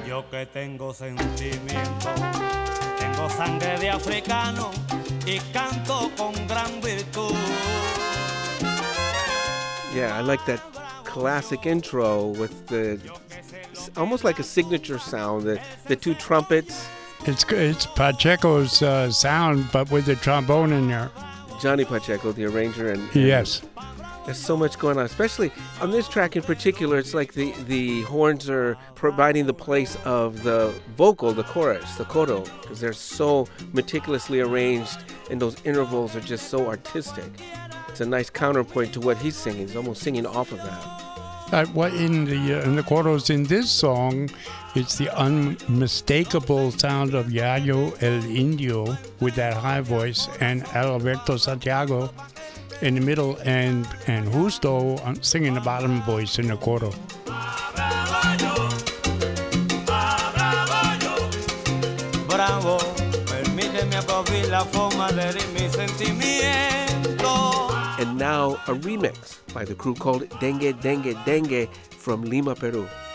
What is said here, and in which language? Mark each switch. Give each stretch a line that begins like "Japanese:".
Spanish: Que tengo sentimiento, tengo sangre de africano y canto con gran virtud.
English: Yeah, I like that classic intro with the almost like a signature sound, the two trumpets. It's Pacheco's sound, but with the trombone in there. Johnny Pacheco, the arranger, and yes. There's so much going on, especially on this track in particular. It's like the horns are providing the place of the vocal, the chorus, the coro, because they're so meticulously arranged and those intervals are just so artistic. It's a nice counterpoint to what he's singing. He's almost singing off of that. In the coros in this song, it's the unmistakable sound of Yayo el Indio with that high voice and Alberto Santiago in the middle, and Justo singing the bottom voice in the coro.
Spanish: Bravo, permíteme aplaudir la forma de mi sentimiento.
English: And now a remix by the crew called Dengue Dengue Dengue from Lima, Peru.